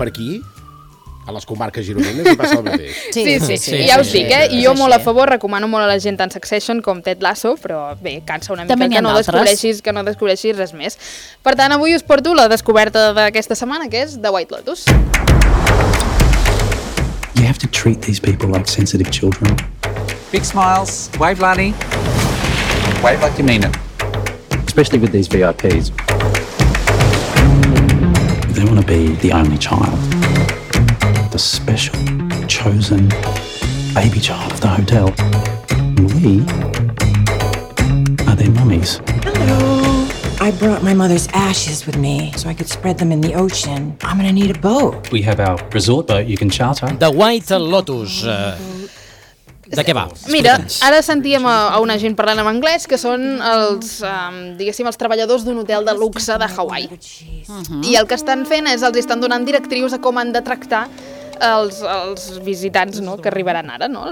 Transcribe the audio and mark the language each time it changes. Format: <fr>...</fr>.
<ca>per aquí... a les comarques gironines i passa el mateix. Sí, sí, sí, sí, ja us dic, eh? Jo molt a favor, recomano molt a la gent tant Succession com Ted Lasso, però bé, cansa una mica que no descobreixis res més. Per tant, avui us porto la descoberta d'aquesta setmana, que és The White Lotus.</ca> <en>You have to treat these people like sensitive children. Big smiles, wave Lani. Wave like you mean it. Especially with these VIPs. They want to be the only child. The special, chosen baby child of the hotel. We are their mummies. Hello. I brought my mother's ashes with me so I could spread them in the ocean. I'm gonna need a boat. We have our resort boat you can charter.</en> <ca>The White Lotus. De què va? Mira, ara sentíem a una gent parlant en anglès, que són els, diguéssim, els treballadors d'un hotel de luxe de Hawaii. Uh-huh. I el que estan fent és els estan donant directrius a com han de tractar els visitants, no, que arribaran ara, no?</ca>